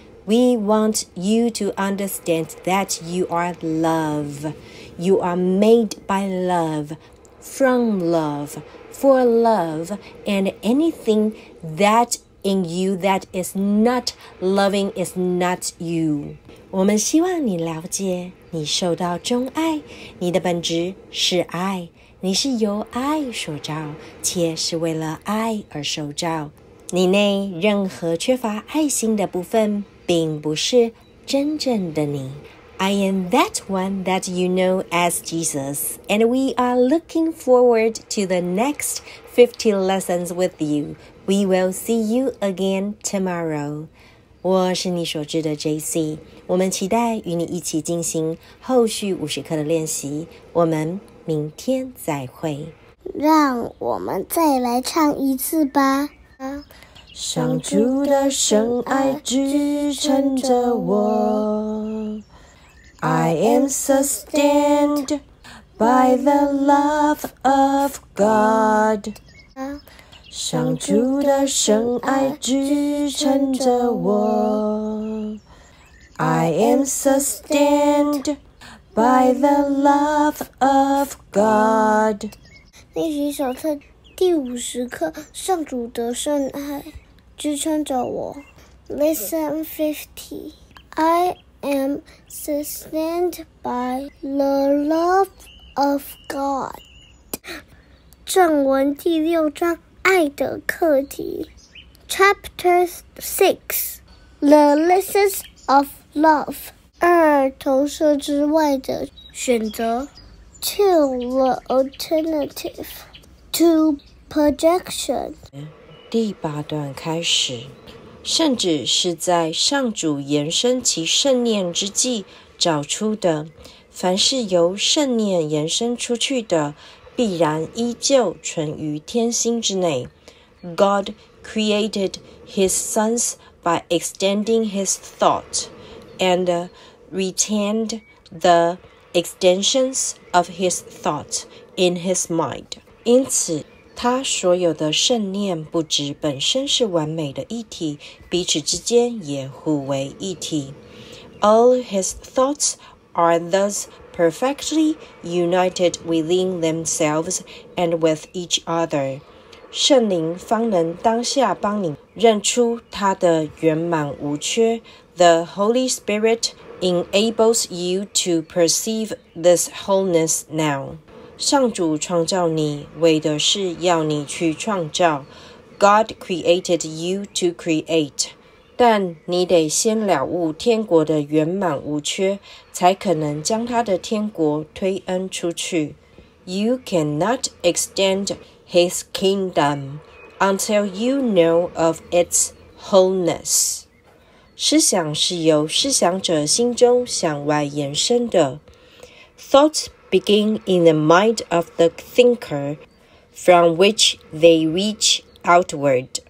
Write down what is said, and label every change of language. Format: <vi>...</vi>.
<en>We want you to understand that you are love. You are made by love, from love, for love, and anything that in you that is not loving is not you.</en> <zh>我们希望你了解你受到钟爱，你的本质是爱，你是由爱所造，且是为了爱而受造。你内任何缺乏爱心的部分，并不是真正的你。</zh> <en>I am that one that you know as Jesus, and we are looking forward to the next 50 lessons with you. We will see you again tomorrow.</en> <zh>我是你所知的 JC, 我们期待与你一起进行后续50课的练习。我们明天再会。让我们再来唱一次吧。上主的圣爱支撑着我。</zh> <en>I am sustained by the love of God.</en> <zh>上主的圣爱支撑着我。</zh> <en>I am sustained by the love of God.</en> <zh>练习手册第50课，上主的圣爱支撑着我。</zh> <en>Lesson 50. I am sustained by the love of God.</en> <zh>正文第六章，爱的课题。</zh> <en>Chapter 6, The Lessons of Love.</en> <zh>二投射之外的选择。</zh> <en>2, The Alternative to Projection.</en> <zh>第八段开始。圣旨是在上主延伸其圣念之际找出的，凡是由圣念延伸出去的，必然依旧存于天心之内。</zh> <en>God created his sons by extending his thought and retained the extensions of his thought in his mind.</en> <zh>因此他所有的圣念不止本身是完美的一体，彼此之间也互为一体。</zh> <en>All his thoughts are thus perfectly united within themselves and with each other.</en> <zh>圣灵方能当下帮你认出他的圆满无缺。</zh> <en>The Holy Spirit enables you to perceive this wholeness now.</en> <zh>上主创造你，为的是要你去创造。</zh> <en>God created you to create.</en> <zh>但你得先了悟天国的圆满无缺，才可能将他的天国推恩出去。</zh> <en>You cannot extend his kingdom until you know of its wholeness.</en> <zh>思想是由思想者心中向外延伸的。</zh> <en>Thoughts begin in the mind of the thinker, from which they reach outward.</en>